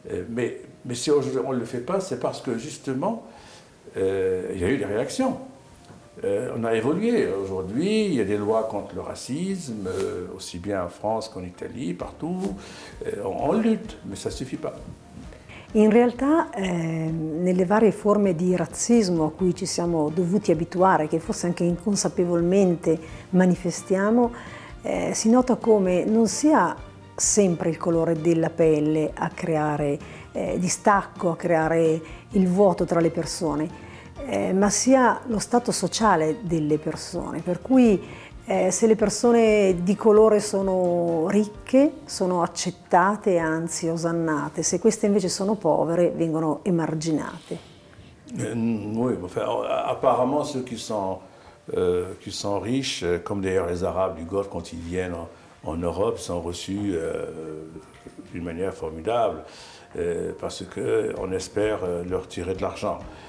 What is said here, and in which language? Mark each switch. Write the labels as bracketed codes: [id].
[fr] Mais si aujourd'hui, on ne le fait pas, c'est parce que justement, il y a eu des réactions. On a évolué. Aujourd'hui, il y a des lois contre le racisme, aussi bien en France qu'en Italie, partout. On lutte, mais ça ne suffit pas. [it] In realtà, nelle varie forme di razzismo a cui ci siamo dovuti abituare, che forse anche inconsapevolmente manifestiamo, si nota come non sia sempre il colore della pelle a creare distacco, a creare il vuoto tra le persone, ma sia lo stato sociale delle persone. Per cui se le persone di colore sono ricche, sono accettate, anzi osannate, se queste invece sono povere, vengono emarginate. [fr] Oui, enfin, apparemment ceux qui sont riches, comme d'ailleurs les Arabes du Golfe, quand ils viennent en Europe, sont reçus d'une manière formidable, parce qu'on espère leur tirer de l'argent.